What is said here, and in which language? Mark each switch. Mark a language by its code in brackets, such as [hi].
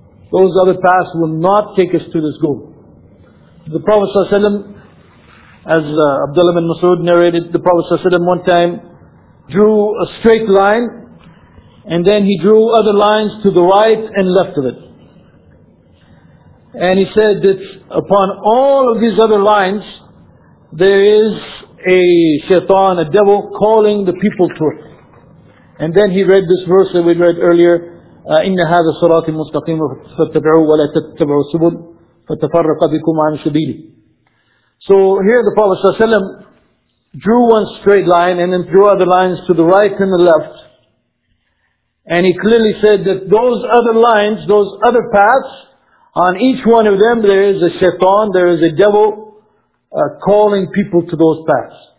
[en] Those other paths will not take us to this goal. The Prophet sallallahu alayhi wa sallam, as Abdullah bin Mas'ud narrated, the Prophet ﷺ one time drew a straight line and then he drew other lines to the right and left of it. And he said that upon all of these other lines there is a shaitan, a devil, calling the people to it. And then he read this verse that we read earlier, [ar] إن هذا صراط مستقيم فاتبعوه ولا تتبعوا السبل فتفرق بكم عن سبيله. [en] So here the Prophet صلى الله عليه وسلم drew one straight line and then drew other lines to the right and the left. And he clearly said that those other lines, those other paths, on each one of them there is a shaitan, there is a devil calling people to those paths.